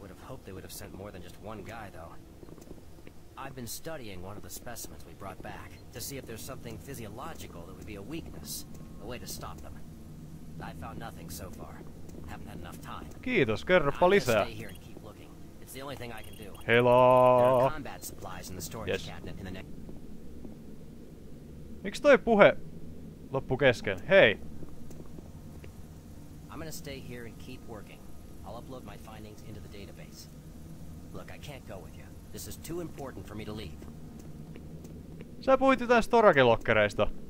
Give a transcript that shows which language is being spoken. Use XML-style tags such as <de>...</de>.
<en>Hope they would have sent more than just one guy, though. I've been studying one of the specimens we brought back to see if there's something physiological that would be a weakness, a way to stop them. I found nothing so far. Haven't had enough time.</en> <fi>Kiitos, kerropa lisää.</fi> <en>I'm gonna stay here and keep looking. It's the only thing I can do. Hello. There are combat supplies in the storage cabinet in the next.</en> <fi>Miksi toi puhe loppu kesken? Hei.</fi> <en>I'm gonna stay here and keep working. I'll upload my findings into the database. Look, I can't go with you. This is too important for me to leave.</en> <fi>Sä puhuit jotain Storage-lokkereista.</fi>